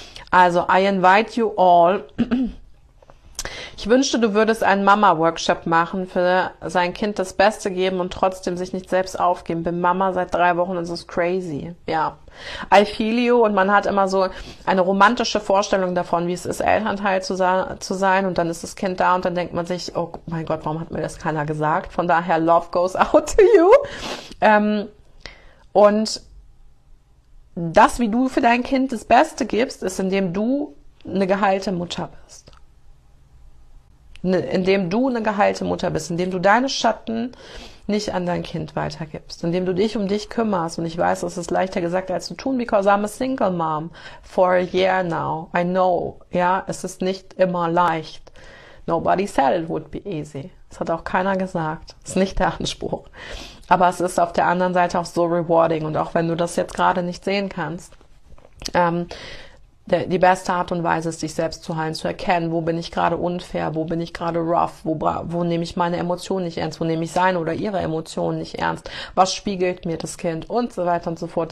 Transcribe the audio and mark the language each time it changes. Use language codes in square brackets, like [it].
[de] Also, [en] I invite you all. [de] Ich wünschte, du würdest einen Mama-Workshop machen, für sein Kind das Beste geben und trotzdem sich nicht selbst aufgeben. Bin Mama seit 3 Wochen, das ist crazy. Ja, [en] I feel you, [de] und man hat immer so eine romantische Vorstellung davon, wie es ist, Elternteil zu sein, und dann ist das Kind da und dann denkt man sich, oh mein Gott, warum hat mir das keiner gesagt? Von daher, [en] love goes out to you. [de] Und das, wie du für dein Kind das Beste gibst, ist, indem du eine geheilte Mutter bist. Indem du eine geheilte Mutter bist, indem du deine Schatten nicht an dein Kind weitergibst, indem du dich um dich kümmerst. Und ich weiß, das ist leichter gesagt als zu tun, [en] because I'm a single mom for a year now. I know, [de] ja, es ist nicht immer leicht. [en] Nobody said it would be easy. [de] Das hat auch keiner gesagt. Das ist nicht der Anspruch. Aber es ist auf der anderen Seite auch so rewarding. Und auch wenn du das jetzt gerade nicht sehen kannst, die beste Art und Weise ist, dich selbst zu heilen, zu erkennen, wo bin ich gerade unfair, wo bin ich gerade rough, wo nehme ich meine Emotionen nicht ernst, wo nehme ich seine oder ihre Emotionen nicht ernst, was spiegelt mir das Kind und so weiter und so fort.